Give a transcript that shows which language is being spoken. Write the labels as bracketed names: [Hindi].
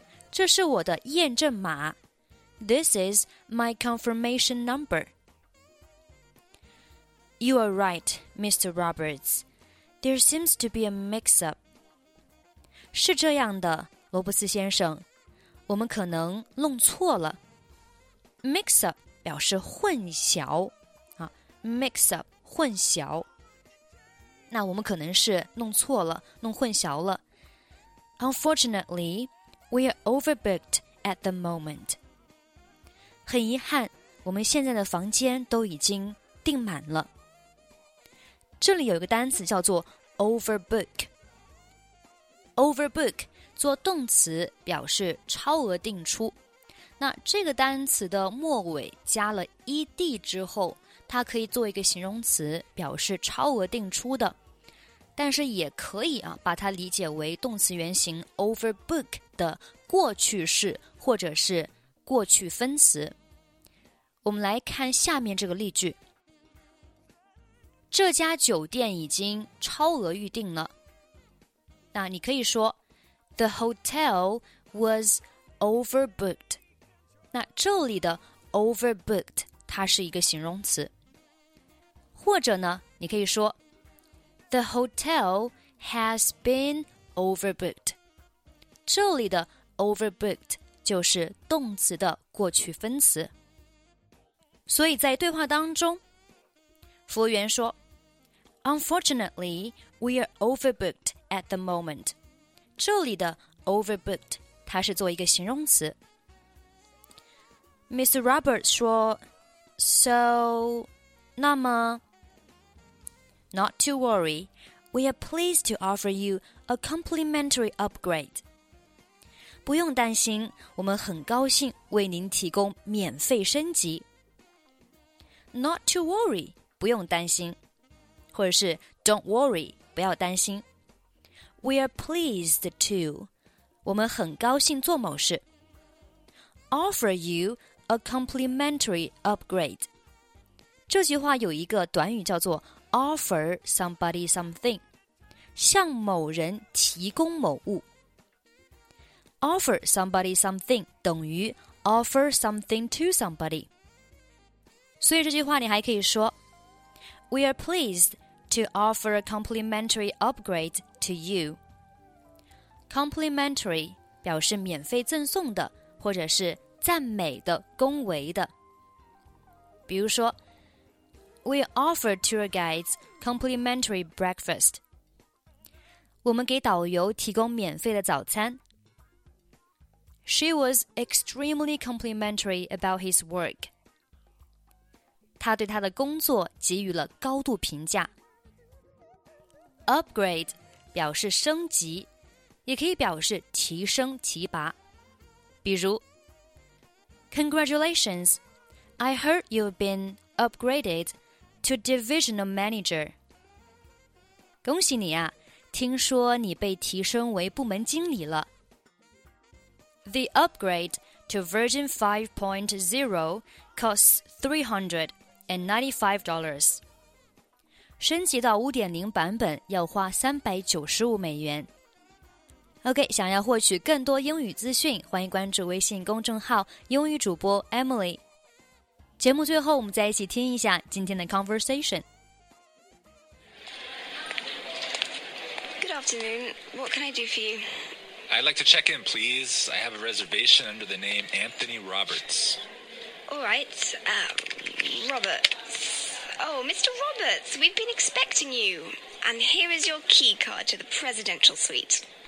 [Chinese] 这是我的验证码 [English] ，This is my confirmation number. You are right, Mr. Roberts. There seems to be a mix-up. [Chinese] 是这样的，罗伯斯先生，我们可能弄错了。 Mix up 表示混淆，啊 ，mix up 混淆。那我们可能是弄错了，弄混淆了。 [English] Unfortunately, we are overbooked at the moment. [Chinese] 很遗憾，我们现在的房间都已经订满了。这里有一个单词叫做 overbook。Overbook 做动词表示超额订出，那这个单词的末尾加了 ed 之后，它可以做一个形容词表示超额订出的，但是也可以啊把它理解为动词原形 overbook 的过去式或者是过去分词。我们来看下面这个例句：这家酒店已经超额预订了。那你可以说 [English] The hotel was overbooked. [Chinese] 那这里的 overbooked 它是一个形容词。或者呢你可以说 [English] The hotel has been overbooked. [Chinese] 这里的 overbooked 就是动词的过去分词。所以在对话当中服务员说 [English] Unfortunately, we are overbookedAt the moment, [Chinese] 这里的 overbooked 它是做一个形容词。 [English] Mr. Roberts [Chinese] 说 [English] So, [Chinese] 那么 [English] Not to worry, we are pleased to offer you a complimentary upgrade. [Chinese] 不用担心，我们很高兴为您提供免费升级。 [English] Not to worry, [Chinese] 不用担心，或者是 [English] Don't worry, [Chinese] 不要担心。 [English] We are pleased to, [Chinese] 我们很高兴做某事。 [English] Offer you a complimentary upgrade. [Chinese] 这句话有一个短语叫做 [English] offer somebody something, [Chinese] 向某人提供某物。 [English] Offer somebody something [Chinese] 等于 [English] offer something to somebody. [Chinese] 所以这句话你还可以说 [English] We are pleased to offer a complimentary upgrade. To you. Complimentary [Chinese] 表示免费赠送的或者是赞美的恭维的。比如说 [English] We offer tour guides complimentary breakfast. [Chinese] 我们给导游提供免费的早餐。 [English] She was extremely complimentary about his work. [Chinese] 他对他的工作给予了高度评价。 [English] Upgrade. [Chinese] 表示升级，也可以表示提升提拔。比如 [English] Congratulations. I heard you've been upgraded to divisional manager. [Chinese] 恭喜你啊，听说你被提升为部门经理了。 [English] The upgrade to version 5.0 costs $395. [Chinese] 升级到 5.0 版本要花395美元。 OK, 想要获取更多英语资讯，欢迎关注微信公众号英语主播 Emily。节目最后我们再一起听一下今天的 conversation。 [English] Good afternoon, what can I do for you? I'd like to check in, please. I have a reservation under the name Anthony Roberts. All right, Roberts. Oh, Mr. Roberts, we've been expecting you. And here is your key card to the presidential suite.